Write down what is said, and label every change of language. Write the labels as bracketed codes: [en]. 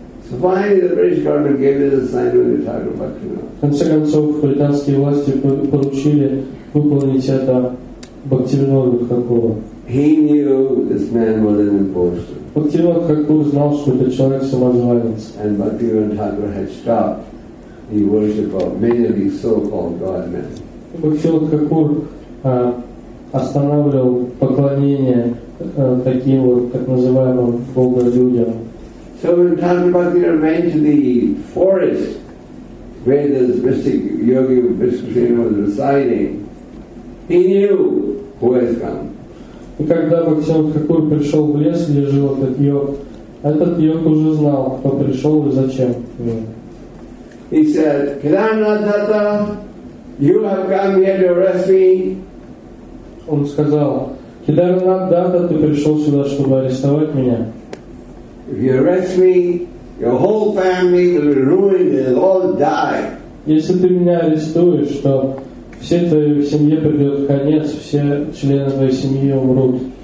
[ru] В конце концов, британские власти поручили выполнить это Бхактивинода Тхакура. Бхактивинода Тхакур знал, что этот человек самозванец. [en] And Bhaktivinoda Thakur had stopped the worship of many of these so-called godmen. [ru] Бхактивинода Тхакур останавливал поклонение таким вот так называемым бога-людям. [en] So when Thakur Bhaktivinoda went to the forest where the mystic yogi Vishnu was residing, he knew who has come. [ru] И когда Бхактивинода Тхакур пришел в лес, где жил этот йог уже знал, кто пришел и зачем. [en] He said, Kedarnathata, you have come here to arrest me. [ru] Он сказал, Кедарнатхата, ты пришел сюда, чтобы арестовать меня. [en] If you arrest me, your whole family will be ruined and they'll all die. [ru] Если ты меня арестуешь, то все твоей семье придет конец, все члены твоей семьи умрут.